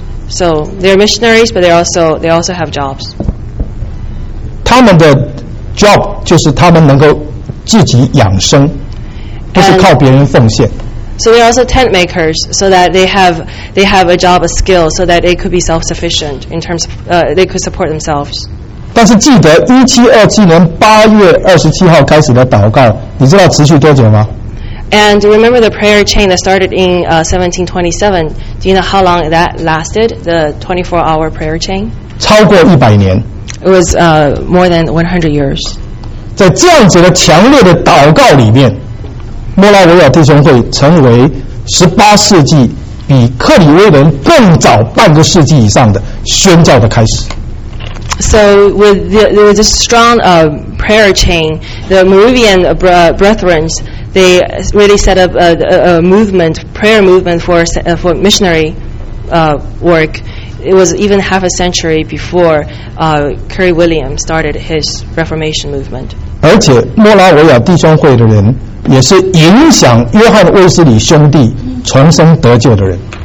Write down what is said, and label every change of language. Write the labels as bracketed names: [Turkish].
[English] So they're missionaries, but they also have jobs. [Chinese] 他们的 job 就是他们能够自己养生，不是靠别人奉献。 [English] So they're also tent makers, so that they have a job, a skill, so that they could be self-sufficient in terms of, they could support themselves. [Chinese] 但是记得1727年8月27号开始的祷告，你知道持续多久吗？ [English] And remember the prayer chain that started in 1727. Do you know how long that lasted, the 24-hour prayer chain? [Chinese] 超过100年。 [English] It was more than 100 years. [Chinese] 在这样子的强烈的祷告里面，莫拉维亚弟兄会成为18世纪比克里威人更早半个世纪以上的宣教的开始。 [English] So with this strong prayer chain, the Moravian brethren, they really set up a prayer movement for missionary work. It was even half a century before Curry William started his Reformation movement. [Chinese] 而且莫拉维亚弟兄会的人。也是影响约翰·威斯理兄弟重生得救的人。